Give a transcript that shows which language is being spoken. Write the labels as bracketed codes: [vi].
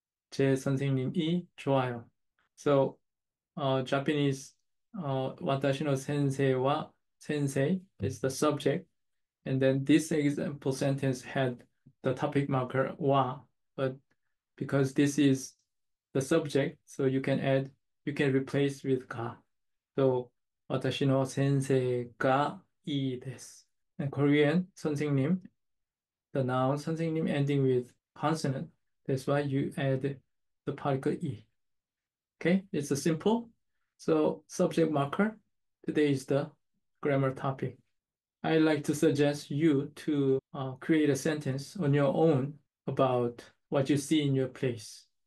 [ko] 제 선생님이 좋아요. [en] So, Japanese, [zh] 我的老师很好. [en] Sensei is the subject, and then this example sentence had the topic marker wa, but because this is the subject, so you can replace with ga. [ja] So 私の先生がいいです。 [en] In Korean, 선생님, the noun 선생님 ending with consonant, that's why you add the particle e. Okay, it's a simple. So subject marker today is the grammar topic. I'd like to suggest you to create a sentence on your own about what you see in your place.